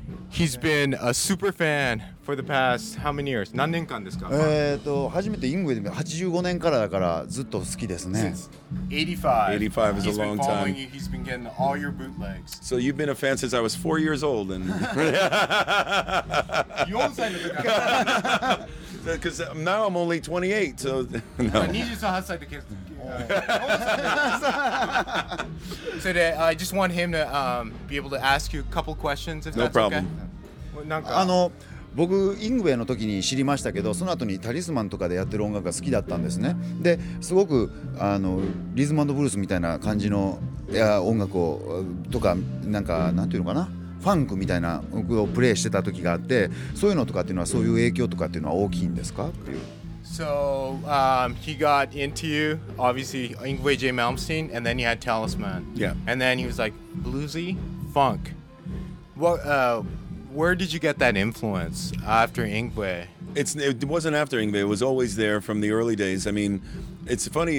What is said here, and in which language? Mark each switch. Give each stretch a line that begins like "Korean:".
English: He's been a super fan for the past how many years?
Japanese: 何年間ですか？初めてイングウェイで85年からだからずっと好きですね。
English: 85 is a long time. You. He's been getting all your bootlegs. So you've been a fan since I was 4 years old. And
Japanese: 4歳の時から
English: 。 Because now I'm only 28, so
Japanese: no. 28歳で結構。
English: So I just want him to be able to ask you a couple questions, if no that's problem. Okay. No problem.
Japanese: 僕イングウェイの時に知りましたけど、その後にタリスマンとかでやってる音楽が好きだったんですね。ですごくリズム&ブルースみたいな感じの音楽をとか、なんかなんていうのかな、ファンクみたいな音楽をプレイしてた時があって、そういうのとかっていうのは、そういう影響とかっていうのは大きいんですかっていう。
English: So, he got into you, obviously, Ingwe J. Malmsteen, and then he had Talisman. Yeah. And then he was like, bluesy, funk. What, where did you get that influence after Ingwe? It wasn't after Ingwe. It was always there from the early days. I mean, it's funny.